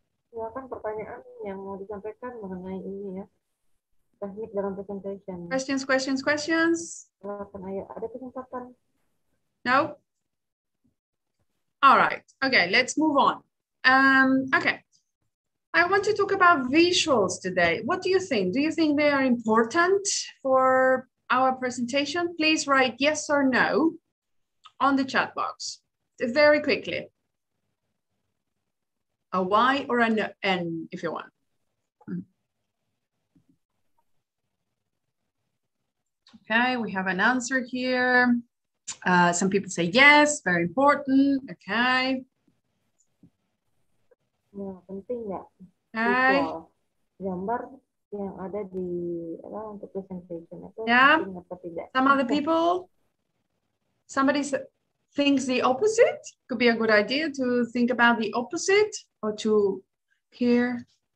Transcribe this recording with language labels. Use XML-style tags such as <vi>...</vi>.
<id>Ya kan pertanyaan yang mau disampaikan mengenai ini ya, teknik dalam presentation.</id> <en>Questions, questions, questions.</en> <id>Ada kesempatan?</id> <en>No? All right. Okay, let's move on. Okay. I want to talk about visuals today. What do you think? Do you think they are important for our presentation? Please write yes or no on the chat box very quickly. A Y or an N if you want. Okay, we have an answer here. Some people say yes, very important. Okay.</en> <id>Ya, penting ya. Hai. Gambar yang ada di apa untuk presentation itu penting atau tidak.</id> <en>Some other people, somebody thinks the opposite. Could be a good idea to think about the opposite or to hear.</en>